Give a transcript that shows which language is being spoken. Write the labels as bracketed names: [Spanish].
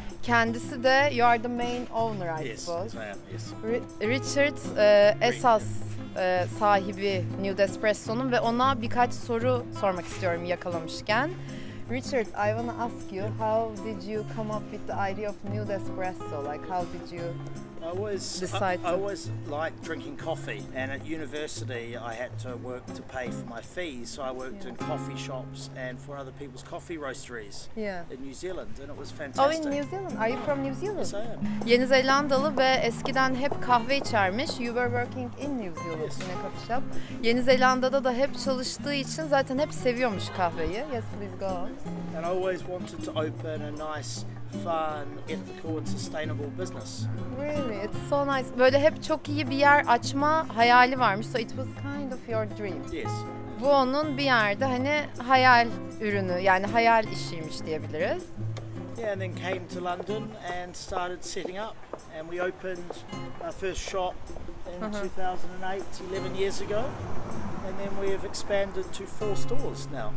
[Turkish] Kendisi de, [English] you are the main owner, I suppose. Yes, I am, yes. [Turkish] Richard esas sahibi Nude Espresso'nun ve ona birkaç soru sormak istiyorum yakalamışken. [English] Richard, I want to ask you, how did you come up with the idea of Nude Espresso? Like, how did you decide to... I was like drinking coffee, and at university I had to work to pay for my fees, so I worked in coffee shops and for other people's coffee roasteries in New Zealand, and it was fantastic. Oh, in New Zealand? Are you from New Zealand? Yes, I am. [Turkish] Yeni Zelandalı ve eskiden hep kahve içermiş. [English] You were working in New Zealand, yes, in a coffee shop. [Turkish] Yeni Zelanda'da da hep çalıştığı için zaten hep seviyormuş kahveyi. [English] Yes, please go. And I always wanted to open a nice, fun, ethical and sustainable business. Really? It's so nice. [Turkish] Böyle hep çok iyi bir yer açma hayali varmış. [English] So it was kind of your dream. Yes. [Turkish] Bu onun bir yerde hani hayal ürünü, yani hayal işiymiş diyebiliriz. [English] Yeah, and then came to London and started setting up. And we opened our first shop in 2008, 11 years ago. And then we have expanded to four stores now.